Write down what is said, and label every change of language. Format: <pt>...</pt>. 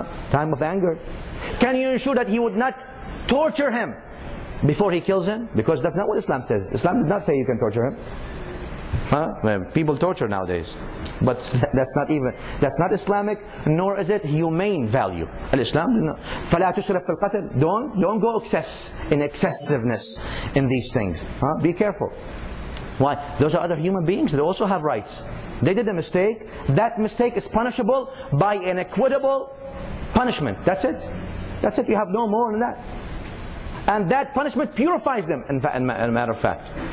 <en>Time of anger. Can you ensure that he would not torture him before he kills him? Because that's not what Islam says. Islam did not say you can torture him. People torture nowadays. But that's not Islamic, nor is it humane value.</en> <ar>Al-Islam, فَلَا تُسْرَفْ فِي الْقَتْلِ.</ar> <en>Don't go excessiveness in these things. Be careful. Why? Those are other human beings. They also have rights. They did a mistake. That mistake is punishable by an equitable punishment. That's it. That's it. You have no more than that. And that punishment purifies them, in matter of fact.</en>